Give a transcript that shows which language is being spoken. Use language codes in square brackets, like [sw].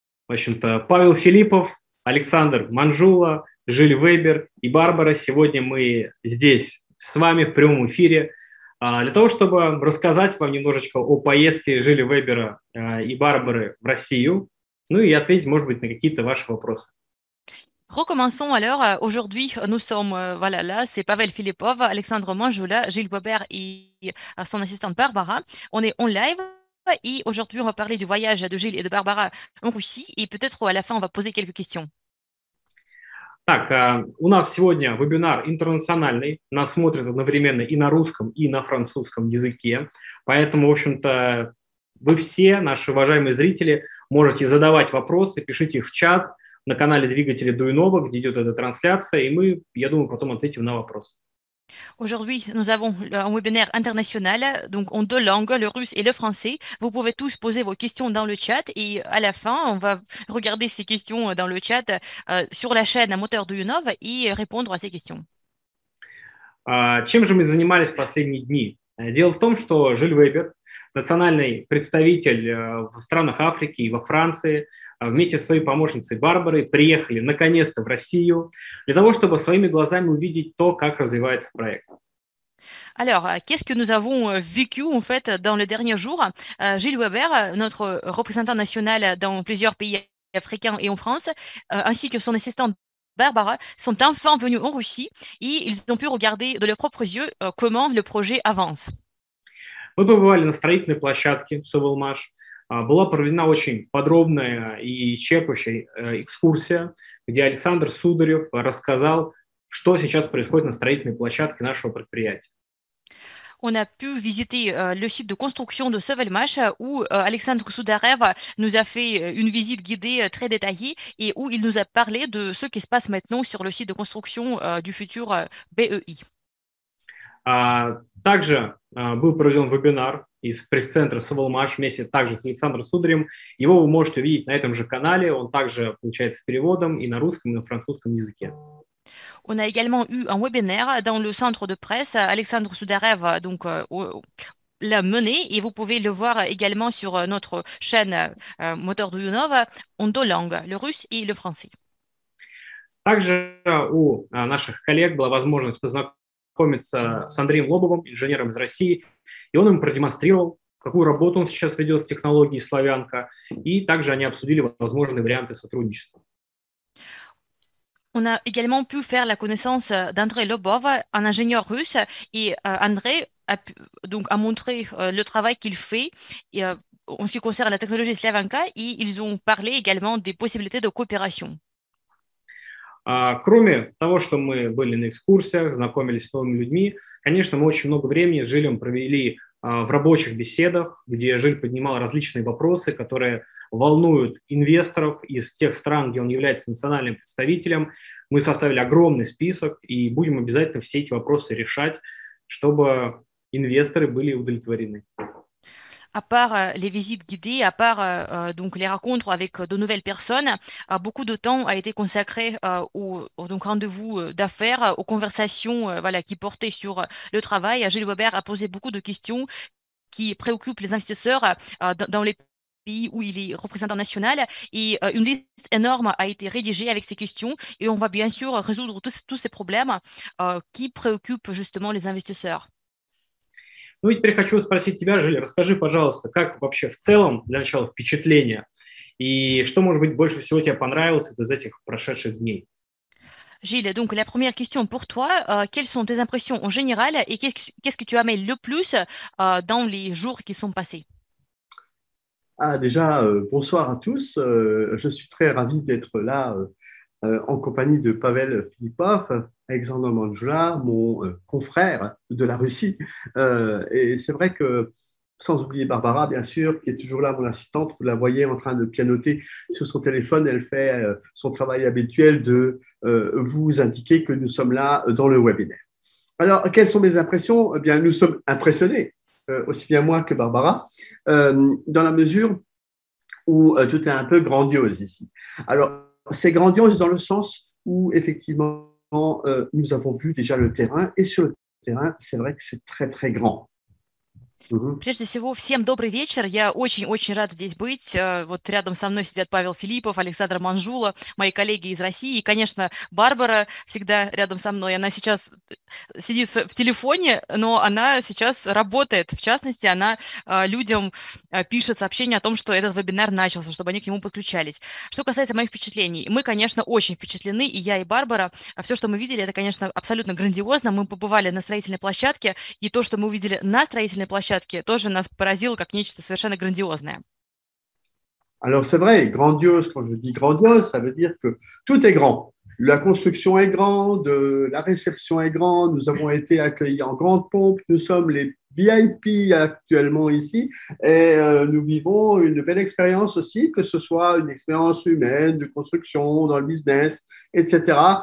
[ru] В общем-то, Павел Филиппов, Александр Манжула, Жиль Вебер и Барбара. Сегодня мы здесь с вами в прямом эфире для того, чтобы рассказать вам немножечко о поездке Жиля Вебера и Барбары в Россию. Ну и ответить, может быть, на какие-то ваши вопросы. [fr] Recommençons alors. Aujourd'hui, nous sommes voilà là, c'est Pavel Filipov, Alexandre Manjula, Gilles Weber et son assistante Barbara. On est en live et aujourd'hui, on va parler du voyage de Gilles et de Barbara en Russie et peut-être à la fin, on va poser quelques questions. [ru] Так, у нас сегодня вебинар интернациональный. Нас смотрят одновременно и на русском, и на французском языке. Поэтому, в общем-то, вы все, наши уважаемые зрители, можете задавать вопросы, пишите их в чат на канале Двигателя Дуйнова, где идет эта трансляция, и мы, я думаю, потом ответим на вопрос. [fr] Aujourd'hui, nous avons un webinaire international, donc en deux langues, le russe et le français. Vous pouvez tous poser vos questions dans le chat et à la fin, on va regarder ces questions dans le chat sur la chaîne Moteur Дуйнова et répondre à ces questions. [ru] Чем же мы занимались последние дни? Дело в том, что Жиль Вебер, национальный представитель в странах Африки и во Франции, вместе со своей помощницей Барбарой приехали наконец-то в Россию для того, чтобы своими глазами увидеть то, как развивается проект. [fr] Alors, qu'est-ce que nous avons vécu en fait dans les derniers jours? Gilles Weber, notre représentant national dans plusieurs pays africains et en France, ainsi que son assistante Barbara, sont enfin venus en Russie et ils ont pu regarder de leurs propres yeux comment le projet avance. [ru] Мы побывали на строительной площадке Совелмаш. Была проведена очень подробная и исчерпывающая экскурсия, где Александр Сударев рассказал, что сейчас происходит на строительной площадке нашего предприятия. [fr] On a pu visiter le site de construction de Совелмаш, où Александр Сударев nous a fait une visite guidée très détaillée et où il nous a parlé de ce qui se passe maintenant sur le site de construction du futur BEI. [ru] Также был проведен вебинар из пресс-центра Совелмаш вместе также с Александром Сударем. Его вы можете увидеть на этом же канале. Он также получается с переводом и на русском, и на французском языке. [fr] On a également eu un webinaire dans le centre de presse. Alexandre Sudarev donc l'a mené et vous pouvez le voir également sur notre chaîne Moteur Дуйнова en deux langues, le russe et le français. [ru] Также у наших коллег была возможность познакомиться с Андреем Лобовым, инженером из России, и он им продемонстрировал, какую работу он сейчас ведет с технологией «Славянка», и также они обсудили возможные варианты сотрудничества. [fr] On a également pu faire la connaissance d'André Lobov, un ingénieur russe, et André a, pu, donc, a montré le travail qu'il fait et, en ce qui concerne la technologie «Славянка», et ils ont parlé également des possibilités de coopération. [ru] Кроме того, что мы были на экскурсиях, знакомились с новыми людьми, конечно, мы очень много времени с Жилем провели в рабочих беседах, где Жиль поднимал различные вопросы, которые волнуют инвесторов из тех стран, где он является национальным представителем. Мы составили огромный список и будем обязательно все эти вопросы решать, чтобы инвесторы были удовлетворены. [fr] À part les visites guidées, à part donc les rencontres avec de nouvelles personnes, beaucoup de temps a été consacré aux rendez-vous d'affaires, aux conversations voilà, qui portaient sur le travail. Gilles Weber a posé beaucoup de questions qui préoccupent les investisseurs dans les pays où il est représentant national. Et une liste énorme a été rédigée avec ces questions. Et on va bien sûr résoudre tous ces problèmes qui préoccupent justement les investisseurs. [ru] Ну и теперь хочу спросить тебя, Жиль, расскажи, пожалуйста, как вообще в целом, для начала, впечатления, и что, может быть, больше всего тебе понравилось из этих прошедших дней? [fr] Жиль, donc la première question pour toi, quelles sont tes impressions en général et qu'est-ce que tu aimes le plus dans les jours qui sont passés? Ah, déjà, bonsoir à tous, je suis très ravi d'être là en compagnie de Pavel Filipov, Alexandre Manjula, mon confrère de la Russie. Et c'est vrai que, sans oublier Barbara, bien sûr, qui est toujours là, mon assistante, vous la voyez en train de pianoter sur son téléphone, elle fait son travail habituel de vous indiquer que nous sommes là dans le webinaire. Alors, quelles sont mes impressions? Eh bien, nous sommes impressionnés, aussi bien moi que Barbara, dans la mesure où tout est un peu grandiose ici. Alors, c'est grandiose dans le sens où, effectivement, nous avons vu déjà le terrain, et sur le terrain, c'est vrai que c'est très, très grand. [ru] Прежде всего, всем добрый вечер. Я очень-очень рада здесь быть. Вот рядом со мной сидят Павел Филиппов, Александр Манжула, мои коллеги из России. И, конечно, Барбара всегда рядом со мной. Она сейчас сидит в телефоне, но она сейчас работает. В частности, она людям пишет сообщение о том, что этот вебинар начался, чтобы они к нему подключались. Что касается моих впечатлений, мы, конечно, очень впечатлены, и я, и Барбара. Все, что мы видели, это, конечно, абсолютно грандиозно. Мы побывали на строительной площадке, и то, что мы увидели на строительной площадке, тоже нас поразило как нечто совершенно грандиозное. [fr] Alors c'est vrai, grandiose, quand je dis grandiose, ça veut dire que tout est grand. La construction est grande, la réception est grande, nous avons été accueillis en grande pompe, nous sommes les VIP actuellement ici et nous vivons une belle expérience aussi, que ce soit une expérience humaine, de construction, dans le business, etc.